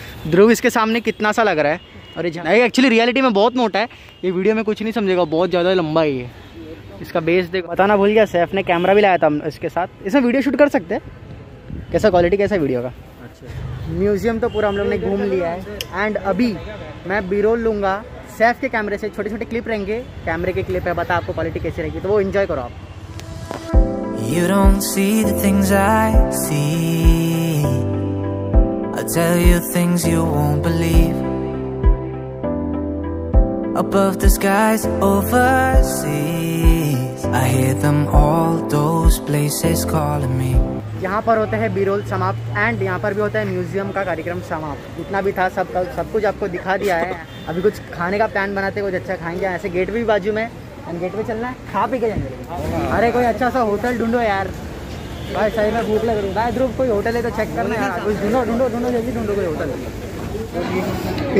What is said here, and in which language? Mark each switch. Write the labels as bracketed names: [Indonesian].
[Hindi] ध्रुव इसके सामने कितना सा लग रहा है, अरे जाना एक्चुअली रियलिटी में बहुत मोटा है, ये वीडियो में कुछ नहीं समझेगा, बहुत ज़्यादा लंबा ही है इसका बेस, देखो बताना भूल गया सैफ ने कैमरा भी लाया था इसके साथ, इसमें वीडियो शूट कर सकते हैं, कैसा क्वालिटी कैसा वीडियो का। अच्छा म्यूजियम तो पूरा हम लोग ने घूम लिया है एंड अभी मैं बीरोल लूँगा सैफ के कैमरे से, छोटे छोटे क्लिप रहेंगे, कैमरे के क्लिप है, बता आपको क्वालिटी कैसी रहेगी, तो वो इन्जॉय करो आप। [English] You don't see the things I see, I tell you things you won't believe, above the skies overseas, I hear them all those places calling me। [Hindi] यहाँ पर होता है बीरोल समाप्त एंड यहाँ पर भी होता है म्यूजियम का कार्यक्रम समाप्त, जितना भी था सब का सब कुछ आपको दिखा दिया है, अभी कुछ खाने का प्लान बनाते हैं, कुछ अच्छा खाएंगे, ऐसे गेट भी बाजू में एंड गेट पे चलना है, खा पी के जाएंगे। अरे कोई अच्छा सा होटल ढूंढो यार भाई, सही में भूख लग रही है भाई, ध्रुव कोई होटल है तो चेक करना यार, कुछ ढूंढो जल्दी ढूंढो कोई होटल।